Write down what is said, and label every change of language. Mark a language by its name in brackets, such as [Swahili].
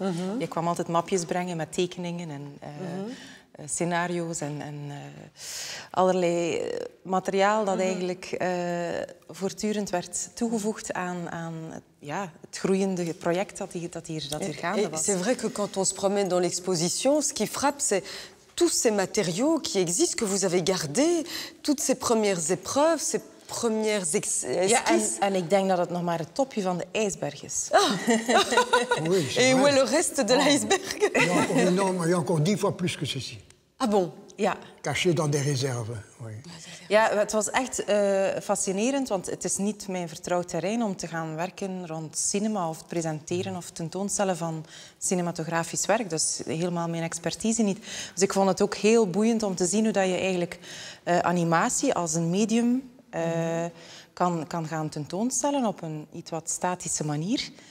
[Dutch] Mm-hmm. Je kwam altijd mapjes brengen met tekeningen en... scenario's en allerlei materiaal dat eigenlijk voortdurend werd toegevoegd aan ja, het groeiende project dat hier gaande was. [French] C'est vrai que quand on se promène dans l'exposition, ce qui frappe, c'est tous ces matériaux qui existent, que vous avez gardés, toutes ces premières épreuves, ces premières esquisses. [Dutch] Ja, en ik denk dat het nog maar het topje van de ijsberg is. Ah. [French] Oui, et où est le reste de l'ijsberg? Non, il y a encore 10 fois plus que ceci. Ah bon? [Dutch] Ja. [French] Caché dans des réserves. Oui. [Dutch] Ja, het was echt fascinerend, want het is niet mijn vertrouwd terrein om te gaan werken rond cinema of presenteren of tentoonstellen van cinematografisch werk. Dus helemaal mijn expertise niet. Dus ik vond het ook heel boeiend om te zien hoe dat je eigenlijk animatie als een medium kan gaan tentoonstellen op een iets wat statische manier.